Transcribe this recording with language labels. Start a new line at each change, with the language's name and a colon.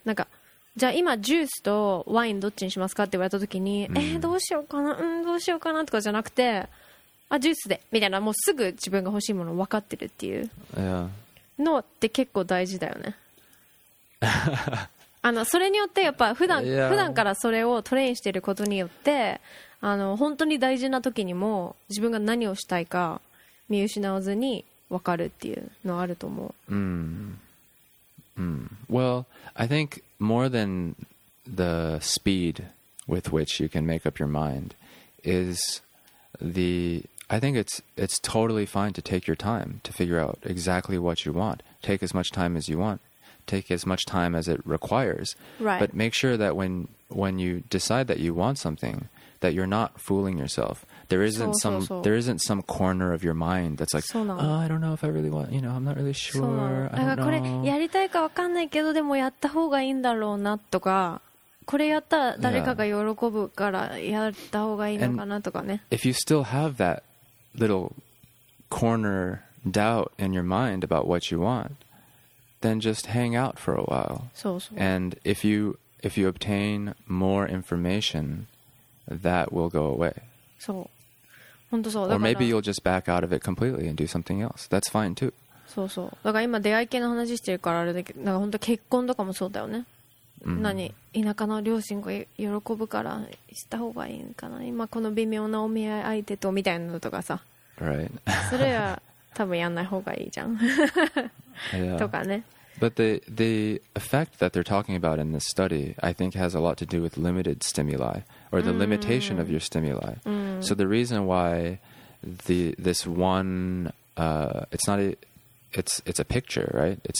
Japanese: なんかじゃあ今ジュースとワインどっちにしますかって言われた時に、どうしようかな、どうしようかなとかじゃなくて、あジュースでみたいな、もうすぐ自分が欲しいもの分かってるっていうのって結構大事だよね。あのそれによってやっぱ普段からそれをトレインしてることによって、あの本当に大事な時にも自分が何をしたいか見失わずに分かるっていうのあると思う。
English: Well, I think more than the speed with which you can make up your mind is the, I think it's totally fine to take your time to figure out exactly what you want. Take as much time as you want. Take as much time as it requires. Right. But make sure that when you decide that you want something, that you're not fooling yourself. There isn't there isn't some corner of your mind that's like, I don't know if I really want, you know, I'm not really sure. I don't know.
Japanese: これやりたいか分かんないけど、でもやった方がいいんだろうなとか、これやったら誰かが喜ぶからやった方がいいのかなとかね。
English: And if you still have that little corner doubt in your mind about what you want, then just hang out for a while.
Japanese: そう。
English: And if you obtain more information, that will go away.
Japanese: そう、本当そう。
English: Or maybe you'll just back out of it completely and do something else. That's fine too.
Japanese: そうそう。だから今出会い系の話してるから、あれだけど、なんか本当結婚とかもそうだよね。何、田舎の両親が喜ぶからした方がいいんかな。今この微妙なお見合い相手とみたいなのとかさ。
English: Right.
Japanese: それは多分やんない方がいいじゃん。
English: yeah.
Japanese: とかね。
English: But the effect that they're talking about in this study, I think, has a lot to do with limited stimuli or the limitation of your stimuli. So the reason why it's a picture, right?